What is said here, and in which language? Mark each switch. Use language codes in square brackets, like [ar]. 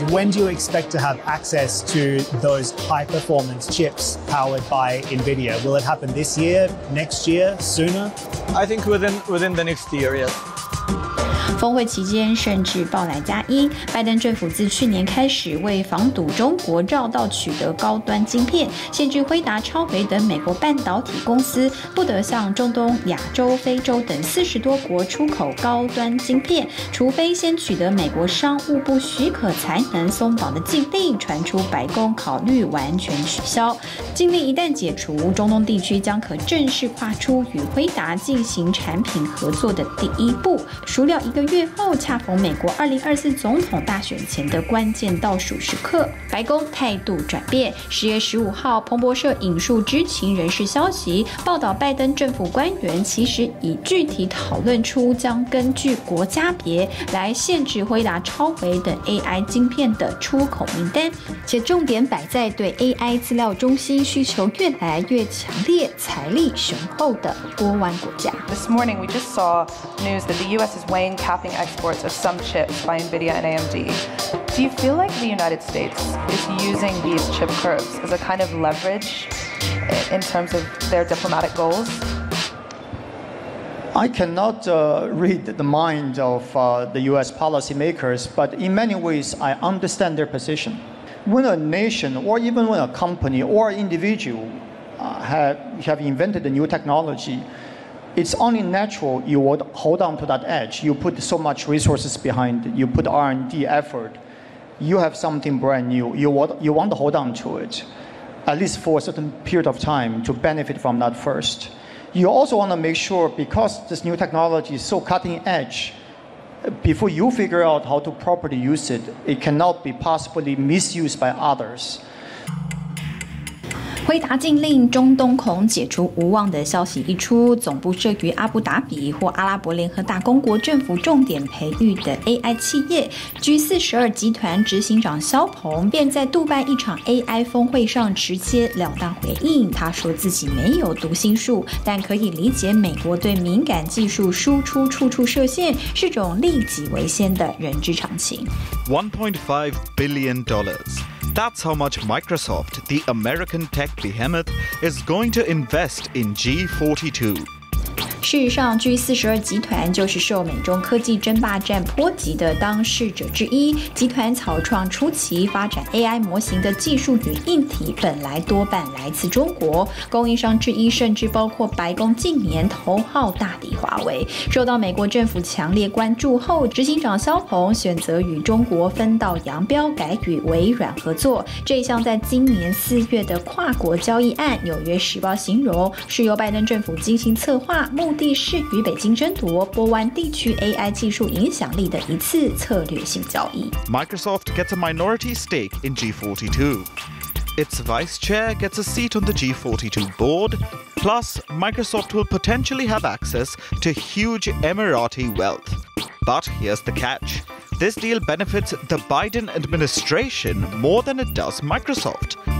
[en] When do you expect to have access to those high performance chips powered by NVIDIA? Will it happen this year, next year, sooner? I think within the next year, yes. [zh] 峰会期间甚至爆来加一，拜登政府自去年开始为防堵中国绕道取得高端晶片，限制辉达、超微等美国半导体公司不得向中东、亚洲、非洲等40多国出口高端晶片，除非先取得美国商务部许可才能松绑的禁令，传出白宫考虑完全取消。禁令一旦解除，中东地区将可正式跨出与辉达进行产品合作的第一步，孰料一个月后恰逢美国2024总统大选前的关键倒数时刻，白宫态度转变。 10月15号，彭博社引述知情人士消息报道，拜登政府官员其实已具体讨论出将根据国家别来限制辉达、超维等 AI 晶片的出口名单，且重点摆在对 AI 资料中心需求越来越强烈、财力雄厚的波湾国家。 [en] This morning we just saw news that the U.S. is weighing capping exports of some chips by NVIDIA and AMD. Do you feel like the United States is using these chip curbs as a kind of leverage in terms of their diplomatic goals? I cannot read the mind of the U.S. policymakers, but in many ways I understand their position. When a nation or even when a company or individual have invented a new technology,It's only natural you would hold on to that edge. You put so much resources behind, you put R&D effort. You have something brand new. You want to hold on to it, at least for a certain period of time to benefit from that first. You also want to make sure, because this new technology is so cutting edge, before you figure out how to properly use it, it cannot be possibly misused by others. [zh] 辉达禁令、中东恐解除无望的消息一出，总部设于阿布达比或阿拉伯联合大公国政府重点培育的 AI 企业 G42 集团执行长肖鹏便在杜拜一场 AI 峰会上直接了当回应，他说自己没有读心术，但可以理解美国对敏感技术输出处处设限是种利己为先的人之常情。 [en] $1.5 billion. That's how much Microsoft, the American tech behemoth, is going to invest in G42. [zh] 事实上 G42 集团就是受美中科技争霸战波及的当事者之一，集团草创初期发展 AI 模型的技术与硬体本来多半来自中国，供应商之一甚至包括白宫近年头号大敌华为。受到美国政府强烈关注后，执行长肖鹏选择与中国分道扬镳，改与微软合作。这项在今年四月的跨国交易案，纽约时报形容是由拜登政府精心策划，目的是与北京争夺波湾地区 AI 技术影响力的一次策略性交易。 [en] Microsoft gets a minority stake in G42. Its vice chair gets a seat on the G42 board. Plus, Microsoft will potentially have access to huge Emirati wealth. But here's the catch. This deal benefits the Biden administration more than it does Microsoft.